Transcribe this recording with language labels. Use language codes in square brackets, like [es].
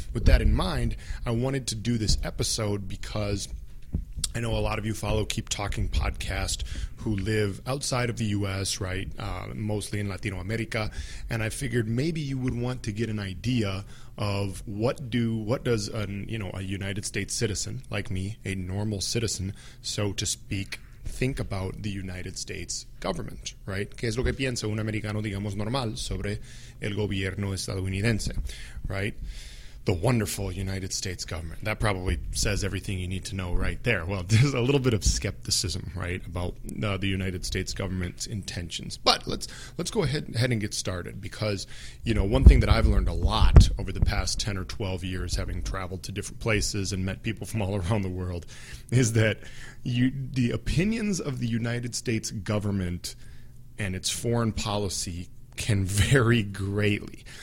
[en] With that in mind, I wanted to do this episode because I know a lot of you follow Keep Talking Podcast who live outside of the U.S., right, mostly in Latino America, and I figured maybe you would want to get an idea of what does a United States citizen like me, a normal citizen, so to speak, think about the United States government, right? [es] ¿Qué es lo que piensa un americano, digamos, normal sobre el gobierno estadounidense, right? [en] The wonderful United States government. That probably says everything you need to know right there. Well, there's a little bit of skepticism, right, about the United States government's intentions. But let's go ahead and get started, because, you know, one thing that I've learned a lot over the past 10 or 12 years, having traveled to different places and met people from all around the world, is that the opinions of the United States government and its foreign policy can vary greatly.